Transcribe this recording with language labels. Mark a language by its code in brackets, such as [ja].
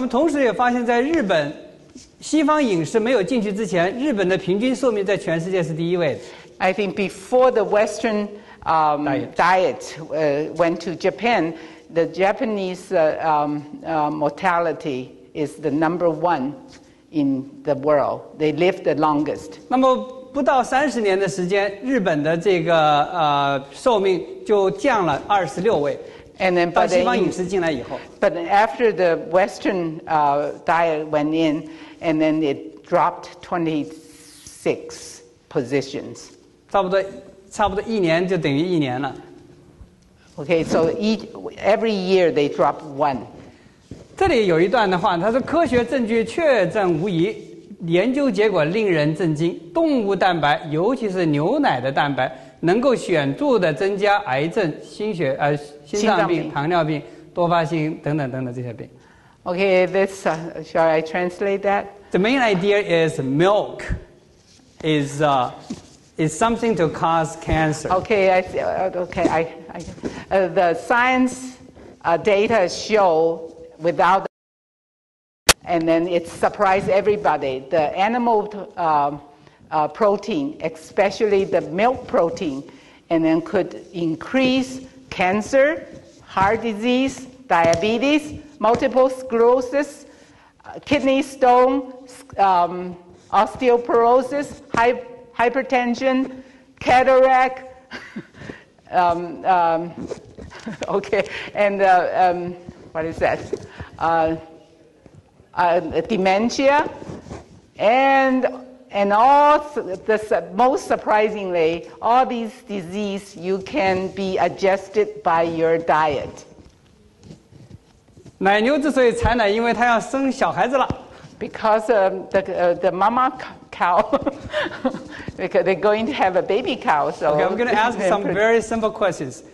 [zh] 他们同时也发现在日本，西方饮食没有进去之前，日本的平均寿命在全世界是第一位的。 [en] I think before the Western diet went to Japan, the Japanese mortality is the number one in the world. They live the longest. [zh] 那么不到三十年的时间，日本的这个寿命就降了二十六位。 [en] And then, [zh] 到西方饮食进来以后 [en] ，But after the Western diet went in, and then it dropped 26 positions. [zh] 差不多一年就等于一年了。 [en] Okay, so every year they drop one. [zh] 这里有一段的话，他说科学证据确证无疑。研究结果令人震惊，动物蛋白尤其是牛奶的蛋白能够显著的增加癌症、心脏病、糖尿病、多发性等等这些病。 [en] Okay, this, shall I translate that? The main idea is milk is something to cause cancer. Okay, the science data show withoutAnd then it surprised everybody. The animal protein, especially the milk protein, and then could increase cancer, heart disease, diabetes, multiple sclerosis, kidney stone, osteoporosis, hypertension, cataract, dementia, and all the most surprisingly, all these diseases you can be adjusted by your diet. [zh] 奶牛之所以产奶，因为它要生小孩子了。 [en] Because the mama cow, because they're going to have a baby cow. So okay, I'm going to ask some very simple questions.